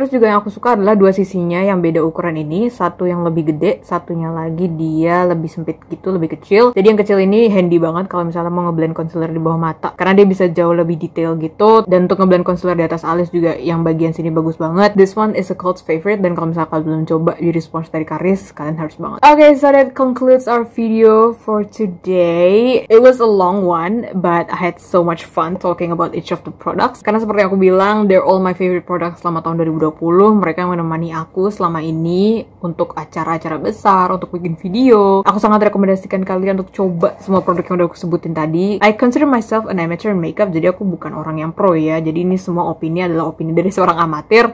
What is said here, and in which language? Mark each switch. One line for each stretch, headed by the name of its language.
Indonesian: Terus juga yang aku suka adalah dua sisinya yang beda ukuran ini, satu yang lebih gede, satunya lagi dia lebih sempit gitu, lebih kecil. Jadi yang kecil ini handy banget kalau misalnya mau ngeblend concealer di bawah mata karena dia bisa jauh lebih detail gitu. Dan untuk ngeblend concealer di atas alis juga yang bagian sini bagus banget.
English: This one is a cult favorite,
Indonesian: dan kalau misalnya kalian belum coba beauty sponge dari Karis, kalian harus banget.
English: Okay, so that concludes our video for today. It was a long one, but I had so much fun talking about each of the products.
Indonesian: Karena seperti yang aku bilang,
English: they're all my favorite products
Indonesian: selama tahun 2020. Mereka yang menemani aku selama ini untuk acara-acara besar, untuk bikin video. Aku sangat rekomendasikan kalian untuk coba semua produk yang udah aku sebutin tadi.
English: I consider myself an amateur in makeup,
Indonesian: jadi aku bukan orang yang pro ya. Jadi ini semua opini adalah opini dari seorang amatir.